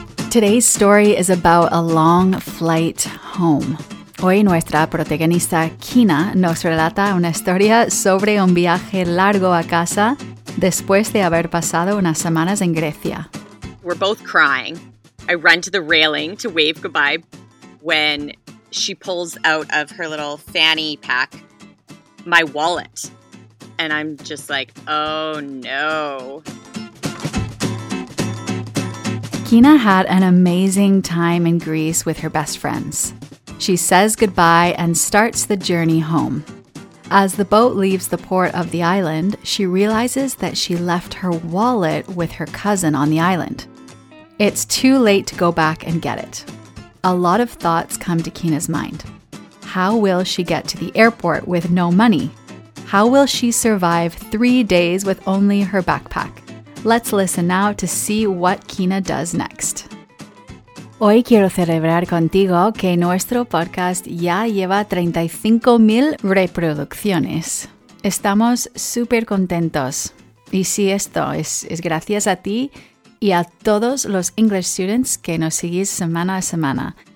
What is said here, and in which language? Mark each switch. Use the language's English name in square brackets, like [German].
[English] Today's story is about a long flight home. [Spanish] Hoy nuestra protagonista Kina nos relata una historia sobre un viaje largo a casa después de haber pasado unas semanas en Grecia. [English] We're both crying. I run to the railing to wave goodbye when she pulls out of her little fanny pack my wallet. And I'm just like, oh no. Kina had an amazing time in Greece with her best friends. She says goodbye and starts the journey home. As the boat leaves the port of the island, she realizes that she left her wallet with her cousin on the island. It's too late to go back and get it. A lot of thoughts come to Kina's mind. How will she get to the airport with no money? How will she survive 3 days with only her backpack? Let's listen now to see what Kina does next. [Spanish] Hoy quiero celebrar contigo que nuestro podcast ya lleva 35,000 reproducciones. Estamos súper contentos. Y sí, esto es gracias a ti y a todos los [English] English students [Spanish] que nos seguís semana a semana.